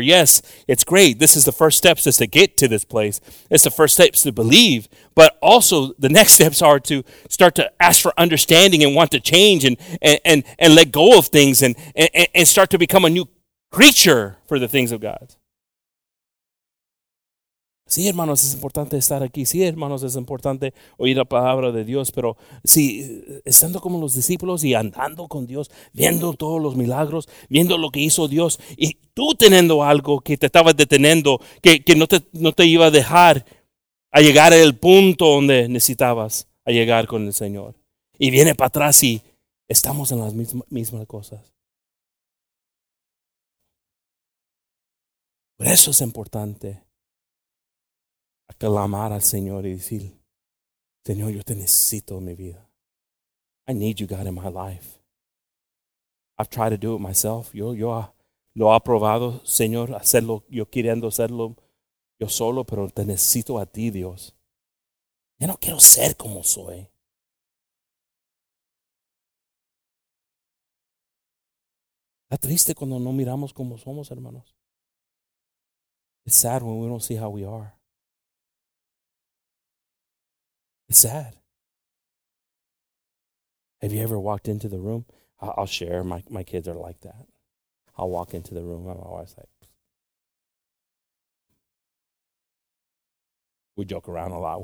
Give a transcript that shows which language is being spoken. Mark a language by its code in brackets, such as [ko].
[en] Yes, it's great. This is the first steps just to get to this place. It's the first steps to believe. But also the next steps are to start to ask for understanding and want to change and let go of things and start to become a new creature for the things of God. [es] Sí, hermanos, es importante estar aquí. Sí, hermanos, es importante oír la palabra de Dios. Pero sí, estando como los discípulos y andando con Dios, viendo todos los milagros, viendo lo que hizo Dios, y tú teniendo algo que te estaba deteniendo, que no te iba a dejar a llegar al punto donde necesitabas a llegar con el Señor. Y viene para atrás y estamos en las mismas cosas. Por eso es importante clamar al Señor y decir, Señor, yo te necesito en mi vida. [en] I need you, God, in my life. I've tried to do it myself. [es] Yo lo he probado, Señor, hacerlo, yo queriendo hacerlo yo solo, pero te necesito a ti, Dios. Ya no quiero ser como soy. Está triste cuando no miramos como somos, hermanos. [en] It's sad when we don't see how we are. It's sad. Have you ever walked into the room? I'll share. My kids are like that. I'll walk into the room and my wife's like, we joke around a lot.